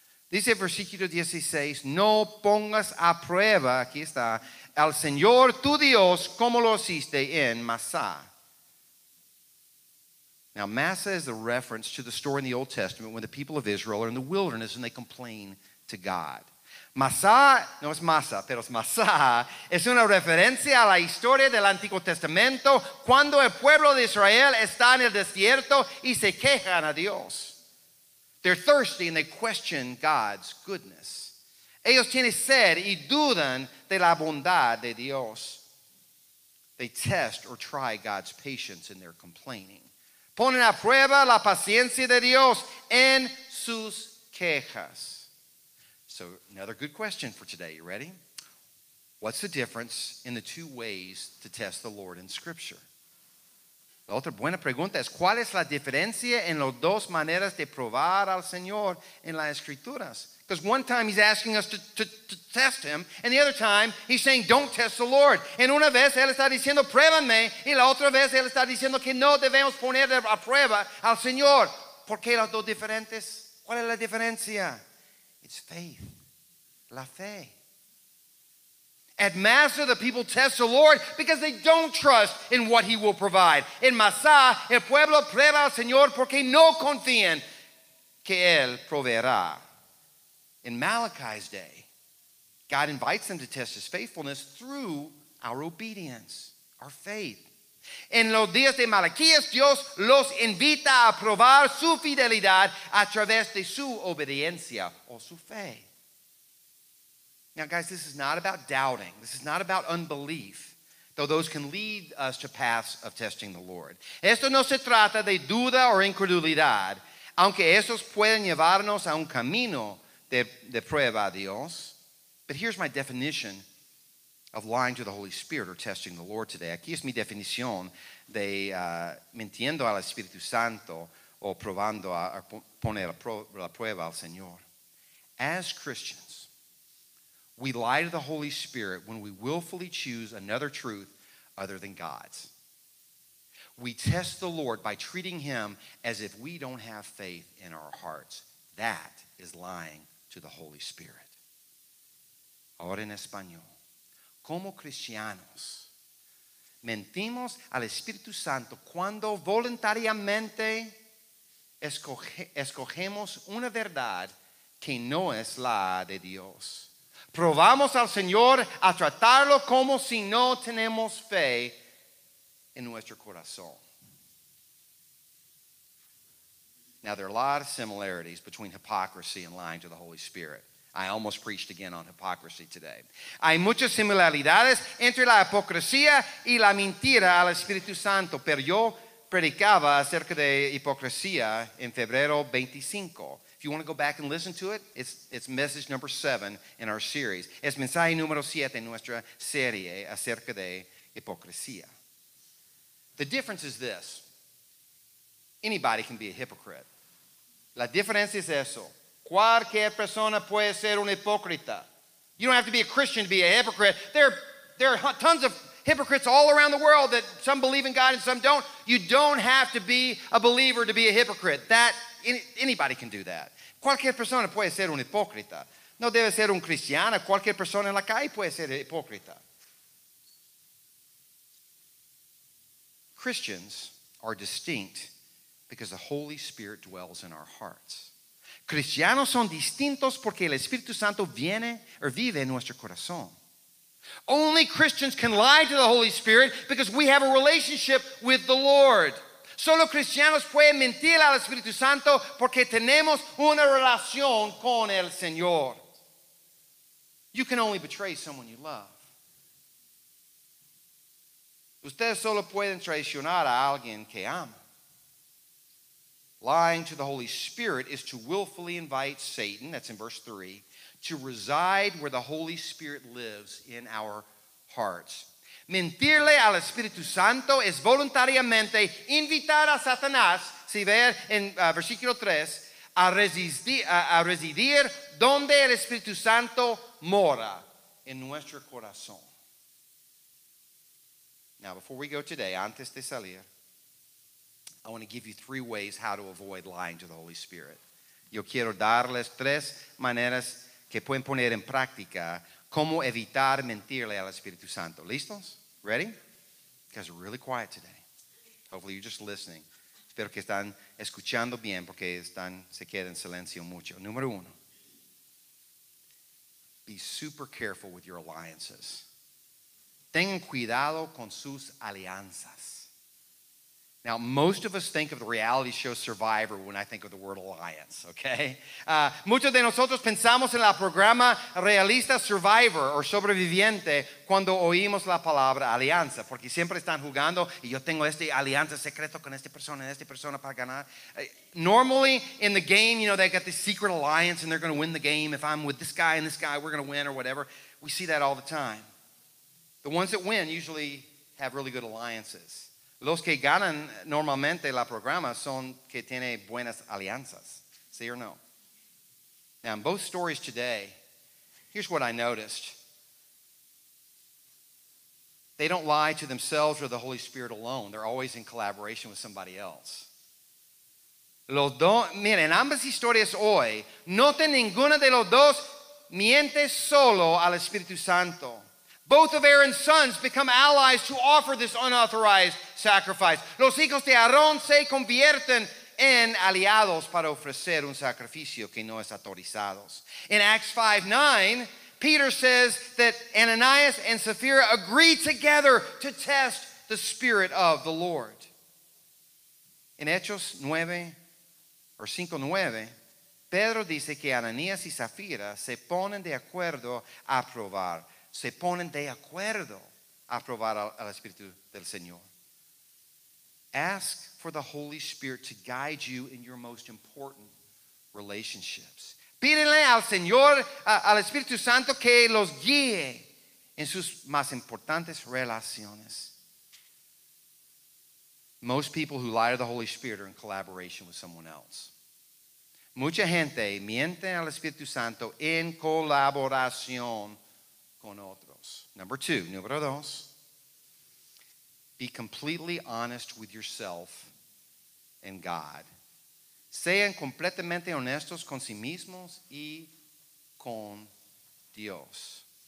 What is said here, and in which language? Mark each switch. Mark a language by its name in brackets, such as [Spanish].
[Spanish] Dice versículo 16, no pongas a prueba, aquí está, al Señor tu Dios como lo hiciste en Massa. [English] Now, Massa is a reference to the story in the Old Testament when the people of Israel are in the wilderness and they complain to God. [Spanish] Massa, no es Massa, pero es Massa, es una referencia a la historia del Antiguo Testamento cuando el pueblo de Israel está en el desierto y se quejan a Dios. [English] They're thirsty and they question God's goodness. [Spanish] Ellos tienen sed y dudan de la bondad de Dios. [English] They test or try God's patience in their complaining. [Spanish] Ponen a prueba la paciencia de Dios en sus quejas. [English] So another good question for today. You ready? What's the difference in the two ways to test the Lord in Scripture? [Spanish] La otra buena pregunta es, ¿cuál es la diferencia en las dos maneras de probar al Señor en las Escrituras? [English] Because one time he's asking us to test him, and the other time he's saying, don't test the Lord. [Spanish] En una vez él está diciendo, pruébame, y la otra vez él está diciendo que no debemos poner a prueba al Señor. ¿Por qué las dos diferentes? ¿Cuál es la diferencia? [English] It's faith. [Spanish] La fe. [English] At Massa, the people test the Lord because they don't trust in what he will provide. [Spanish] En Massa, el pueblo prueba al Señor porque no confían que él proveerá. [English] In Malachi's day, God invites them to test his faithfulness through our obedience, our faith. [Spanish] En los días de Malaquías, Dios los invita a probar su fidelidad a través de su obediencia o su fe. [English] Now, guys, this is not about doubting. This is not about unbelief, though those can lead us to paths of testing the Lord. [Spanish] Esto no se trata de duda o incredulidad, aunque esos pueden llevarnos a un camino de prueba a Dios. [English] But here's my definition of lying to the Holy Spirit or testing the Lord today. [Spanish] Aquí es mi definición de mintiendo al Espíritu Santo o probando a poner la prueba al Señor. [English] As Christians, we lie to the Holy Spirit when we willfully choose another truth other than God's. We test the Lord by treating him as if we don't have faith in our hearts. That is lying to the Holy Spirit. [Spanish] Ahora en español. Como cristianos, mentimos al Espíritu Santo cuando voluntariamente escogemos una verdad que no es la de Dios. Probamos al Señor a tratarlo como si no tenemos fe en nuestro corazón. [English] Now, there are a lot of similarities between hypocrisy and lying to the Holy Spirit. I almost preached again on hypocrisy today. [Spanish] Hay muchas similaridades entre la hipocresía y la mentira al Espíritu Santo, pero yo predicaba acerca de hipocresía en febrero 25. [English] If you want to go back and listen to it, it's message number 7 in our series. [Spanish] Es mensaje número 7 en nuestra serie acerca de hipocresía. [English] The difference is this. Anybody can be a hypocrite. [Spanish] La diferencia es eso. Cualquier persona puede ser un hipócrita. [English] You don't have to be a Christian to be a hypocrite. There are tons of hypocrites all around the world that some believe in God and some don't. You don't have to be a believer to be a hypocrite. Anybody can do that. [Spanish] Cualquier persona puede ser un hipócrita. No debe ser un cristiano. Cualquier persona en la calle puede ser hipócrita. [English] Christians are distinct because the Holy Spirit dwells in our hearts. [Spanish] Cristianos son distintos porque el Espíritu Santo viene o vive en nuestro corazón. [English] Only Christians can lie to the Holy Spirit because we have a relationship with the Lord. [Spanish] Solo cristianos pueden mentir al Espíritu Santo porque tenemos una relación con el Señor. [English] You can only betray someone you love. [Spanish] Ustedes solo pueden traicionar a alguien que ama. [English] Lying to the Holy Spirit is to willfully invite Satan, that's in verse 3, to reside where the Holy Spirit lives in our hearts. [Spanish] Mentirle al Espíritu Santo es voluntariamente invitar a Satanás, si ve en versículo 3, a residir donde el Espíritu Santo mora, en nuestro corazón. [English] Now, before we go today, [Spanish] antes de salir, [English] I want to give you three ways how to avoid lying to the Holy Spirit. [Spanish] Yo quiero darles tres maneras que pueden poner en práctica cómo evitar mentirle al Espíritu Santo. ¿Listos? [English] Ready? You guys are really quiet today. Hopefully you're just listening. [Spanish] Espero que están escuchando bien porque están, se quedan en silencio mucho. Número uno. [English] Be super careful with your alliances. [Spanish] Tengan cuidado con sus alianzas. [English] Now, most of us think of the reality show Survivor when I think of the word alliance, okay? [Spanish] Muchos de nosotros pensamos en el programa realista Survivor or Sobreviviente cuando oímos la palabra alianza, porque siempre están jugando y yo tengo esta alianza secreta con esta persona para ganar. [English] Normally, in the game, you know, they got this secret alliance and they're going to win the game. If I'm with this guy, we're going to win or whatever. We see that all the time. The ones that win usually have really good alliances. [Spanish] Los que ganan normalmente la programa son que tiene buenas alianzas. ¿Sí o no? [English] Now, in both stories today, here's what I noticed. They don't lie to themselves or the Holy Spirit alone. They're always in collaboration with somebody else. [Spanish] Los dos, miren, en ambas historias hoy, noten ninguna de los dos miente solo al Espíritu Santo. [English] Both of Aaron's sons become allies to offer this unauthorized sacrifice. [Spanish] Los hijos de Aarón se convierten en aliados para ofrecer un sacrificio que no es autorizado. [English] In Acts 5:9, Peter says that Ananias and Sapphira agreed together to test the Spirit of the Lord. [Spanish] In Hechos 9, or 5:9, Pedro dice que Ananias y Sapphira se ponen de acuerdo a probar. Se ponen de acuerdo a probar al Espíritu del Señor. [English] Ask for the Holy Spirit to guide you in your most important relationships. [Spanish] Pídenle al Señor, al Espíritu Santo, que los guíe en sus más importantes relaciones. [English] Most people who lie to the Holy Spirit are in collaboration with someone else. [Spanish] Mucha gente miente al Espíritu Santo en colaboración con otros. [English] Number two, [Spanish] número dos, [English] be completely honest with yourself and God. [Spanish] Sean completamente honestos con sí mismos y con Dios.